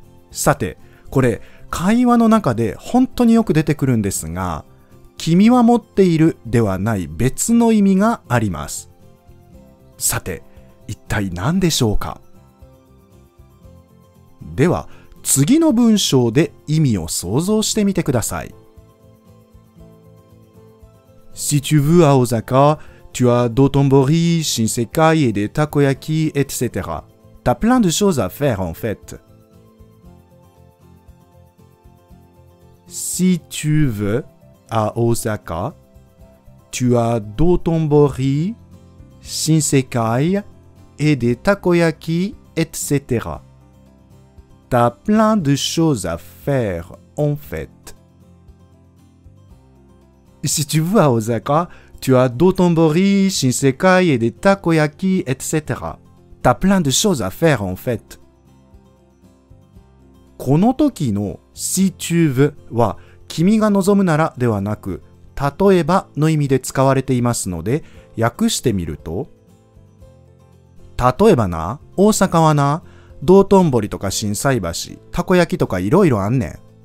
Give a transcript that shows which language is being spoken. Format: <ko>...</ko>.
<ja>さて、これ会話の中で本当によく出てくるんですが、君は持っているではない別の意味があります。さて、一体何でしょうか？では次の文章で意味を想像してみてください。</ja> <fr>Si tu veux à Osaka、Tu as Dotonbori, Shinsekai et des takoyaki, etc. T'as plein de choses à faire en fait. Si tu veux à Osaka, tu as Dotonbori, Shinsekai et des takoyaki, etc. T'as plein de choses à faire en fait. Si tu veux à Osaka,Tu as Dotonbori, Shinsekai et des takoyaki, etc. T'as plein de choses à faire en fait.</fr> <ja>この時の</ja> <fr>Si tu veux</fr> <ja>は、君が望むならではなく、例えばの意味で使われていますので、訳してみると、例えばな、大阪はな、道頓堀とか心斎橋、たこ焼きとかいろいろあんねん。</ja>